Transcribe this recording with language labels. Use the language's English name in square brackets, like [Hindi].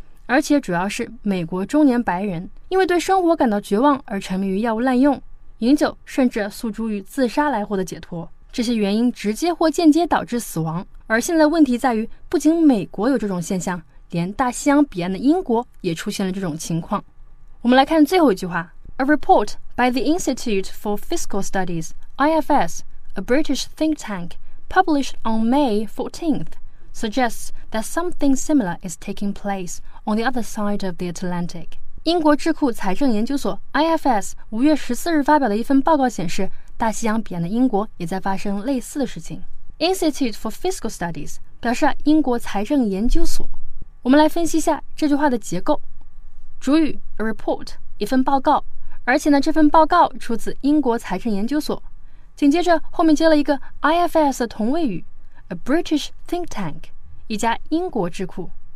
[Chinese] 而且主要是美国中年白人因为对生活感到绝望而沉迷于药物滥用、饮酒甚至诉诸于自杀来获得解脱。这些原因直接或间接导致死亡。而现在问题在于不仅美国有这种现象，连大西洋彼岸的英国也出现了这种情况。我们来看最后一句话。 [English] A report by the Institute for Fiscal Studies, IFS, a British think tank, published on May 14th, suggests that something similar is taking place on the other side of the Atlantic. [Chinese] 英国智库财政研究所 IFS 5月14日发表的一份报告显示，大西洋彼岸的英国也在发生类似的事情。 Institute for Fiscal Studies 表示，英国财政研究所。我们来分析一下这句话的结构，主语 a report 一份报告，而且呢，这份报告出自英国财政研究所，紧接着后面接了一个 IFS 的同位语 [English] a British think tank [Chinese] 一家英国智库。